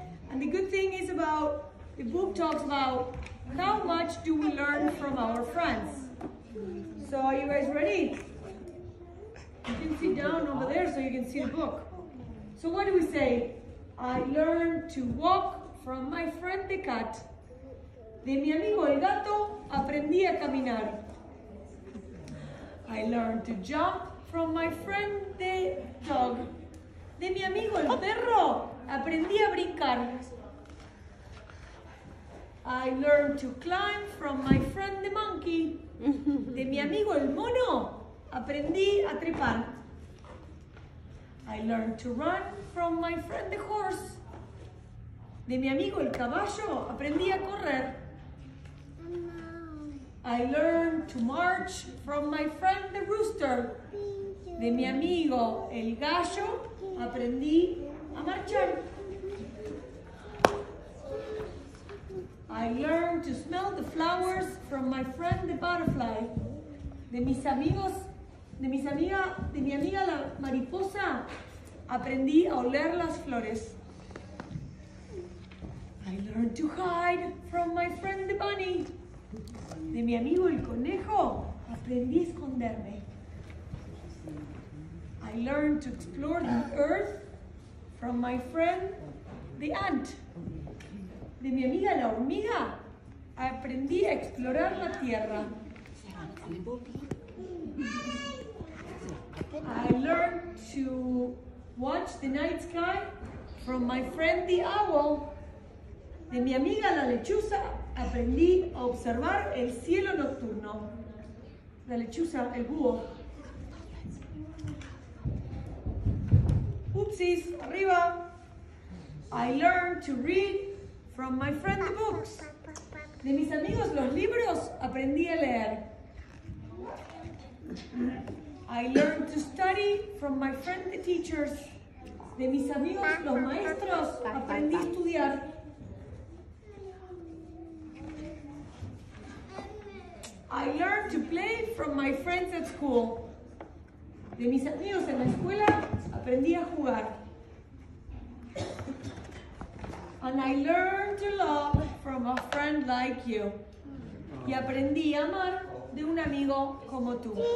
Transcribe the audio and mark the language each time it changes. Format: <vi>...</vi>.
<en>And the good thing is about, the book talks about how much do we learn from our friends. So are you guys ready? You can sit down over there so you can see the book. So what do we say? I learned to walk from my friend the cat.</en> <es>De mi amigo el gato, aprendí a caminar.</es> <en>I learned to jump from my friend the dog.</en> <es>De mi amigo el perro, aprendí a brincar.</es> <en>I learned to climb from my friend the monkey.</en> <es>De mi amigo el mono, aprendí a trepar.</es> <en>I learned to run from my friend the horse.</en> <es>De mi amigo el caballo, aprendí a correr.</es> <en>I learned to march from my friend the rooster.</en> <es>De mi amigo el gallo, aprendí a marchar.</es> <en>I learned to smell the flowers from my friend the butterfly.</en> <es>De mi amiga la mariposa, aprendí a oler las flores.</es> <en>I learned to hide from my friend the bunny.</en> <es>De mi amigo el conejo, aprendí a esconderme.</es> <en>I learned to explore the earth from my friend the ant.</en> <es>De mi amiga la hormiga, aprendí a explorar la tierra.</es> <en>I learned to watch the night sky from my friend the owl.</en> <es>De mi amiga la lechuza, aprendí a observar el cielo nocturno. La lechuza, el búho. Oopsies, arriba.</es> <en>I learned to read from my friend the books.</en> <es>De mis amigos los libros, aprendí a leer.</es> <en>I learned to study from my friend the teachers.</en> <es>De mis amigos los maestros, aprendí a estudiar.</es> <en>I learned to play from my friends at school.</en> <es>De mis amigos en la escuela, aprendí a jugar.</es> <en>And I learned to love from a friend like you.</en> <es>Y aprendí a amar de un amigo como tú.</es>